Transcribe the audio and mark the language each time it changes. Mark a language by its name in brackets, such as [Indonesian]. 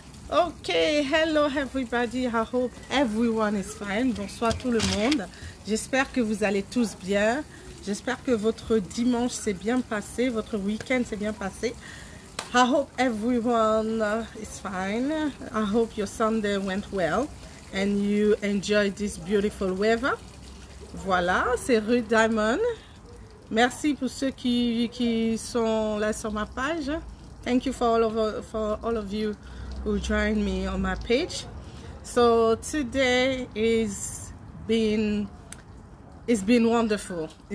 [English] Ok, hello everybody, I hope everyone is fine. [French] Bonsoir tout le monde. J'espère que vous allez tous bien. J'espère que votre dimanche s'est bien passé, votre week-end s'est bien passé. [English] I hope everyone is fine. I hope your Sunday went well and you enjoyed this beautiful weather. [French] Voilà, c'est Ruth Diamond. Merci pour ceux qui sont là sur ma page. [English] Thank you for all of you who joined me on my page. So today it's been wonderful.